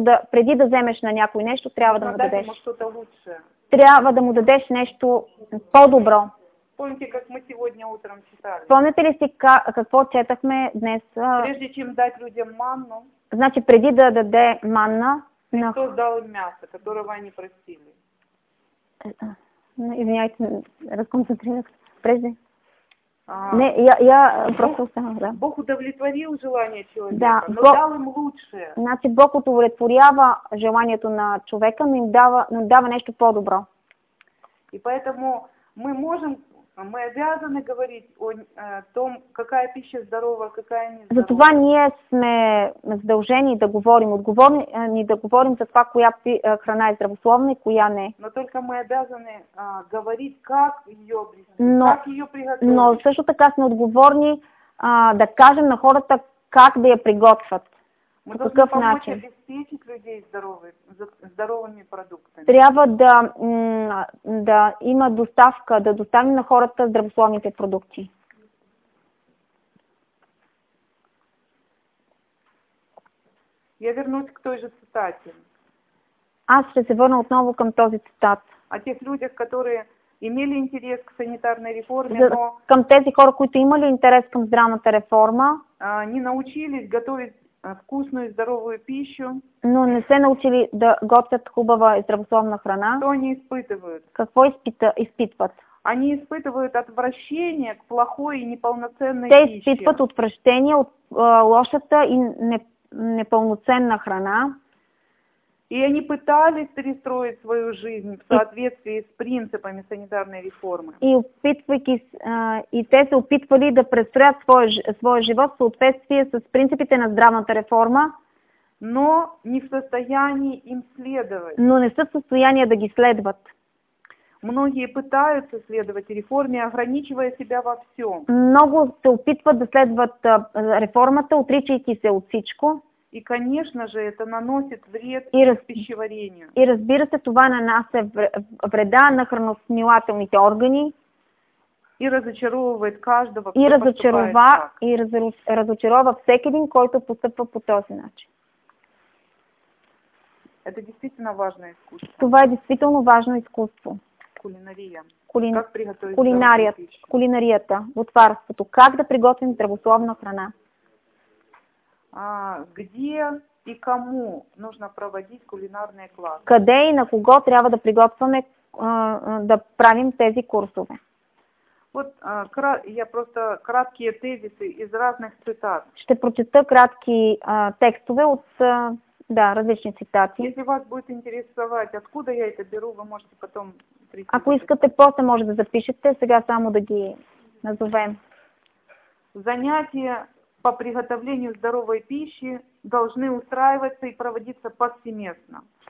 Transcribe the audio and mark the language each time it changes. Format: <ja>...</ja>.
<bg>Преди да вземеш на някой нещо, трябва да му дадеш.</bg> <ru>Что-то лучшее.</ru> <bg>Трябва да му дадеш нещо по-добро.</bg> <ru>Помните, как мы сегодня утром читали?</ru> <bg>Помните ли си какво четахме днес?</bg> <ru>Прежде чем дать людям манну.</ru> <bg>Значи, преди да даде манна.</bg> <ru>Христос дал им мясо, которого они просили.</ru> <bg>Извиняйте, разконцентрирах.</bg> <ru>Прежде. Я просто</ru> <bg>останах, да.</bg> <ru>Бог удовлетворил желание человека, да, но Бог, дал им лучшее.</ru> <bg>Значи Бог удовлетворява желанието на човека, но им дава нещо по-добро.</bg> <ru>И поэтому мы обязаны говорить о том, какая пища здорова, какая не здорова.</ru> <bg>Затова ние сме задължени да говорим, отговорни да говорим за това, коя храна е здравословна и коя не.</bg> <ru>Но только мы обязаны говорить, как ее обрести, как ее приготовить.</ru> <bg>Но също така сме отговорни да кажем на хората как да я приготвят. Мы по какъв начин.</bg> <ru>Мы должны помочь обеспечить людей здоровыми продуктами.</ru> <bg>Трябва да има доставка, да доставим на хората здравословните продукти.</bg> <ru>Я вернусь к той же цитате.</ru> <bg>Аз ще се върна отново към този цитат.</bg> <ru>О тех людях, которые имели интерес к санитарной реформе, но</ru> <bg>към тези хора, които имали интерес към здравната реформа,</bg> <ru>не научились готовить вкусную и здоровую пищу,</ru> <bg>но не се научили да готвят хубава и здравословна храна,</bg> <ru>то они испытывают.</ru> <bg>Какво испытывают?</bg> <ru>Они испытывают отвращение к плохой и неполноценной пище.</ru> <bg>Те</bg> <ru>испытывают отвращение</ru> <bg>от лошата и неполноценна храна.</bg> <ru>И они пытались перестроить свою жизнь в соответствии с принципами санитарной реформы.</ru> <bg>И те се опитвали да престроят своя живот в съответствие с принципите на здравната реформа,</bg> <ru>но не в состоянии им следовать.</ru> <bg>Но не са в състояние да ги следват.</bg> <ru>Многие пытаются следовать реформе, ограничивая себя во всем.</ru> <bg>Много се опитват да следват реформата, отричайки се от всичко.</bg> <ru>И, конечно же, это наносит вред пищеварению.</ru> <bg>И разбира се, това нанася вреда на храносмилателните органи.</bg> <ru>И разочаровывает каждого, кто поступает так.</ru> <bg>И разочарова всеки един, който постъпва по този начин.</bg> <ru>Это действительно важное искусство.</ru> <bg>Това е действително важно изкуство.</bg> <ru>Кулинария. Как приготовить кулинария, пищу?</ru> <bg>Кулинарията, бутварството. Как да приготвим здравословна храна?</bg> <ru>Где и кому нужно проводить кулинарные классы?</ru> <bg>Къде и на кого трябва да приготвяме, да правим тези курсове?</bg> <ru>Вот я просто краткие тезисы из разных цитат.</ru> <bg>Ще прочета кратки текстове от различни цитати.</bg> <ru>Если вас будет интересовать, откуда я это беру, вы можете потом прийти.</ru> <bg>Ако искате, после може да запишете, сега само да ги назовем.</bg> <ru>Занятия по приготовлению здоровой пищи должны устраиваться и проводиться повсеместно.</ru>